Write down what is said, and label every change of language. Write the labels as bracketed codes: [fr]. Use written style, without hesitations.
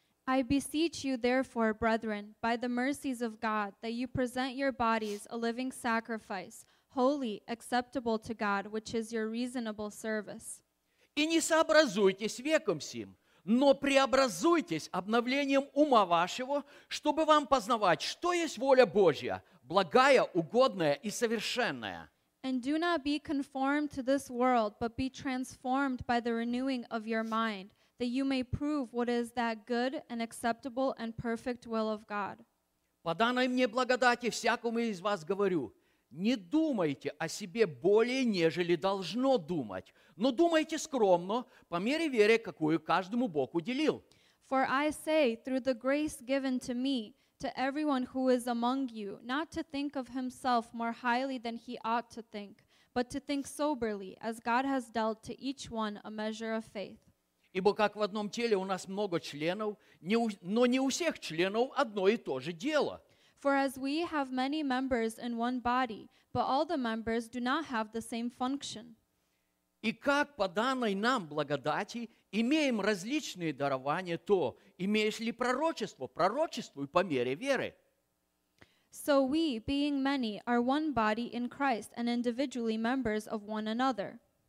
[en] I beseech you, therefore, brethren, by the mercies of God, that you present your bodies a living sacrifice, holy, acceptable to God, which is your reasonable service. [ru] И не сообразуйтесь веком сим, но преобразуйтесь обновлением ума вашего, чтобы вам познавать, что есть воля Божья, благая, угодная и совершенная. [en] And do not be conformed to this world, but be transformed by the renewing of your mind, that you may prove what is that good and acceptable and perfect will of God. [ru] По данной мне благодати всякому из вас говорю, не думайте о себе более, нежели должно думать, но думайте скромно, по мере веры, какую каждому Бог уделил. [en] For I say, through the grace given to me, to everyone who is among you, not to think of himself more highly than he ought to think, but to think soberly, as God has dealt to each one a measure of faith. [ru] Ибо как в одном теле у нас много членов, но не у всех членов одно и то же дело. [en] For as we have many members in one body, but all the members do not have the same function. [ru] И как по данной нам благодати имеем различные дарования, то имеешь ли пророчество, пророчествуй по мере веры. [en] So we, being many, are one body in Christ and individually members of one another.